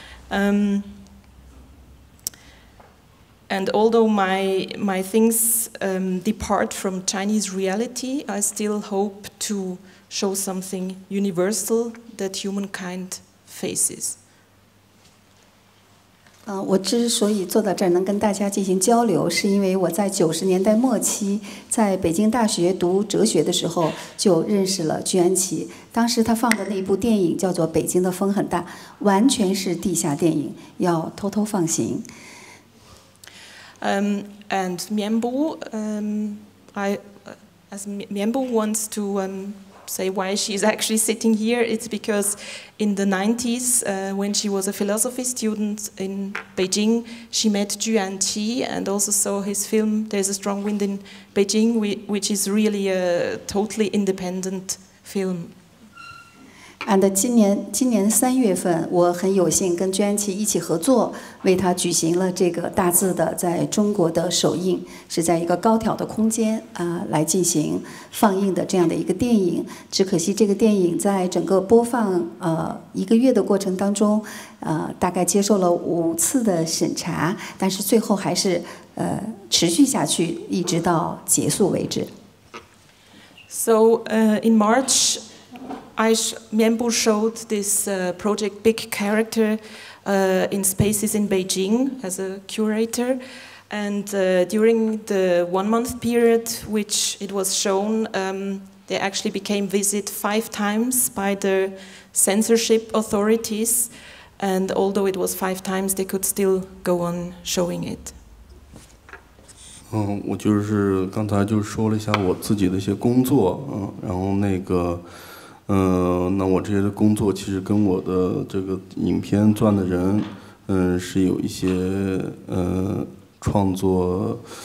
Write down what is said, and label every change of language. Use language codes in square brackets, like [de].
[en] And although my things depart from Chinese reality, I still hope to show something universal that humankind faces. [zh] 我之所以坐到这儿能跟大家进行交流，是因为我在90年代末期在北京大学读哲学的时候就认识了居安琪。当时他放的那一部电影叫做《北京的风很大》，完全是地下电影，要偷偷放行。 [en] And Mianbu, as Mianbu wants to say why she's actually sitting here, it's because in the 90s, when she was a philosophy student in Beijing, she met Zhu Anqi and also saw his film There's a Strong Wind in Beijing, which is really a totally independent film. [zh] And 今年三月份，我很有幸跟居安琪一起合作，为他举行了这个大字的在中国的首映，是在一个高挑的空间啊来进行放映的这样的一个电影。只可惜这个电影在整个播放一个月的过程当中，大概接受了5次的审查，但是最后还是持续下去，一直到结束为止。 [en] So in March. Mianbu showed this project Big Character in spaces in Beijing as a curator. And during the 1 month period which it was shown, they actually became visit 5 times by the censorship authorities. And although it was 5 times, they could still go on showing it. [zh] 我就是刚才就说了一下我自己的一些工作，然后那个那我这些的工作其实跟我的这个影片钻的人是有一些创作